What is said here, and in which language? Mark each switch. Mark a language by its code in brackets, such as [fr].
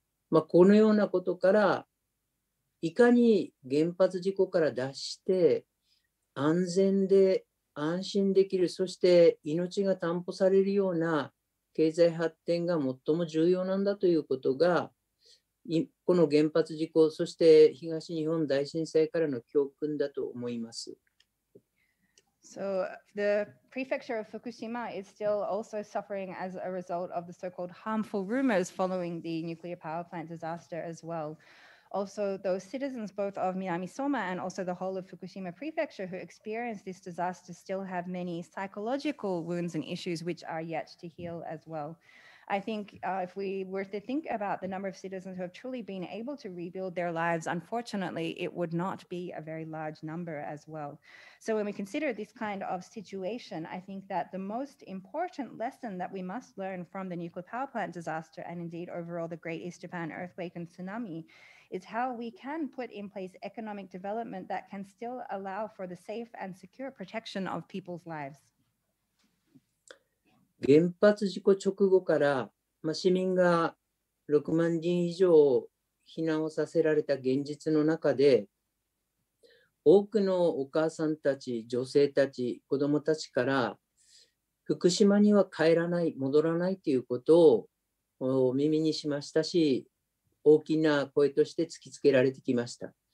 [ja] まあ、このようなことから、いかに原発事故から脱して安全で安心できる、そして命が担保されるような経済発展が最も重要なんだということが、この原発事故、そして東日本大震災からの教訓だと思います。 [en] So the prefecture of Fukushima is still also suffering as a result of the so-called harmful rumors following the nuclear power plant disaster as well. Also, those citizens both of Minami-Soma and also the whole of Fukushima prefecture who experienced this disaster still have many psychological wounds and issues which are yet to heal as well. I think if we were to think about the number of citizens who have truly been able to rebuild their lives, unfortunately, it would not be a very large number as well. So when we consider this kind of situation, I think that the most important lesson that we must learn from the nuclear power plant disaster and indeed overall the Great East Japan earthquake and tsunami is how we can put in place economic development that can still allow for the safe and secure protection of people's lives. [ja] 原発事故直後から、市民が6万人以上避難をさせられた現実の中で、多くのお母さんたち、女性たち、子どもたちから、福島には帰らない、戻らないということを耳にしましたし、大きな声として突きつけられてきました。